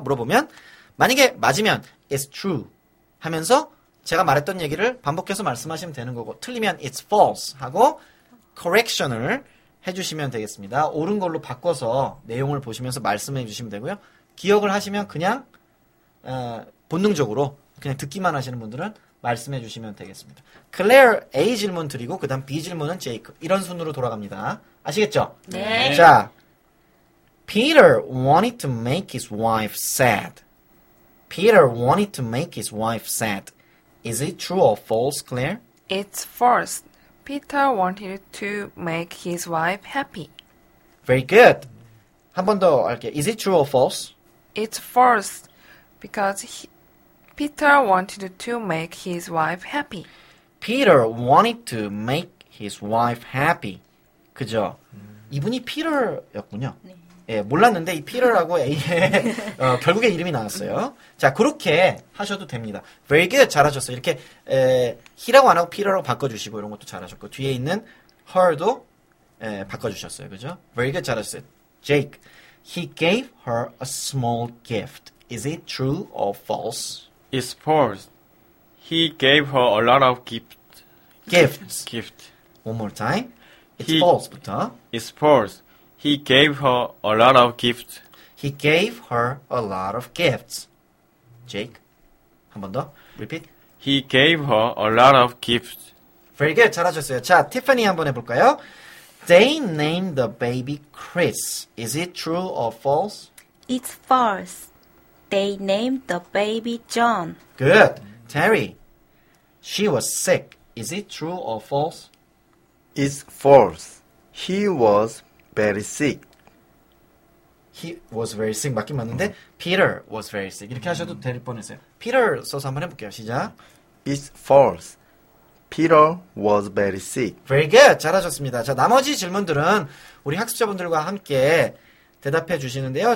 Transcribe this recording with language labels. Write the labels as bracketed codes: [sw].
[ko] 물어보면 만약에 맞으면 [en] It's true [ko] 하면서 제가 말했던 얘기를 반복해서 말씀하시면 되는 거고 틀리면 [en] It's false [ko] 하고 correction을 해주시면 되겠습니다. 옳은 걸로 바꿔서 내용을 보시면서 말씀해 주시면 되고요. 기억을 하시면 그냥 본능적으로 그냥 듣기만 하시는 분들은 말씀해 주시면 되겠습니다. Claire A 질문 드리고 그 다음 B 질문은 Jacob 이런 순으로 돌아갑니다. 아시겠죠? 네. [en] 자, Peter wanted to make his wife sad. Peter wanted to make his wife sad. Is it true or false, Claire? It's false. Peter wanted to make his wife happy. Very good. [ko] 한 번 더 할게요. [en] Is it true or false? It's false because Peter wanted to make his wife happy. Peter wanted to make his wife happy. [ko] 그죠? 이분이 Peter였군요. 네. 예, 몰랐는데 이 Peter라고 A의 결국에 이름이 나왔어요. 자, 그렇게 하셔도 됩니다. [en] Very good. [ko] 잘하셨어요. 이렇게 he라고 안 하고 Peter라고 바꿔주시고 이런 것도 잘하셨고 뒤에 있는 her도 바꿔주셨어요. 그죠? [en] Very good. [ko] 잘하셨어요. [en] Jake, he gave her a small gift. Is it true or false? It's false. He gave her a lot of gifts. Gift. One more time. It's false부터. It's false. He gave her a lot of gifts. He gave her a lot of gifts. [ko] Jake, 한 번 더. [en] Repeat. He gave her a lot of gifts. Very good. [ko] 잘하셨어요. 자, Tiffany 한번 해볼까요? [en] They named the baby Chris. Is it true or false? It's false. They named the baby John. Good. Terry, she was sick. Is it true or false? It's false. He was very sick. He was very sick. [ko] 맞긴 맞는데, [en] Peter was very sick. [ko] 이렇게 하셔도 될 뻔했어요. Peter 써서 한번 해볼게요. 시작. [en] It's false. Peter was very sick. Very good. [ko] 잘하셨습니다. 자, 나머지 질문들은 우리 학습자분들과 함께 대답해 주시는데요.